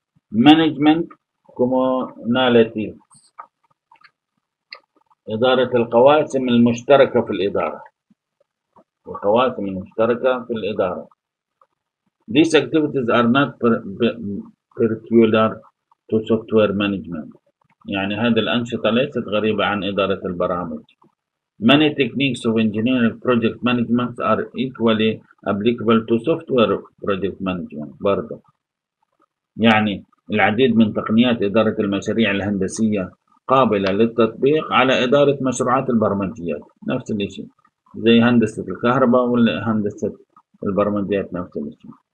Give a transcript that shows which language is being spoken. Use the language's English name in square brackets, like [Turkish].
[Arabic] مانجمنت كوموناليتيز اداره القواسم المشتركه في الاداره، القواسم المشتركه في الاداره. [English] These activities are not peculiar to software management. [Arabic] يعني هذه الأنشطة ليست غريبة عن إدارة البرامج. [English] Many techniques of engineering project management are equally applicable to software project management برضه. [Arabic] يعني العديد من تقنيات إدارة المشاريع الهندسية قابلة للتطبيق على إدارة مشروعات البرمجيات، نفس الشيء زي هندسة الكهرباء وهندسة البرمجيات نفس الشيء.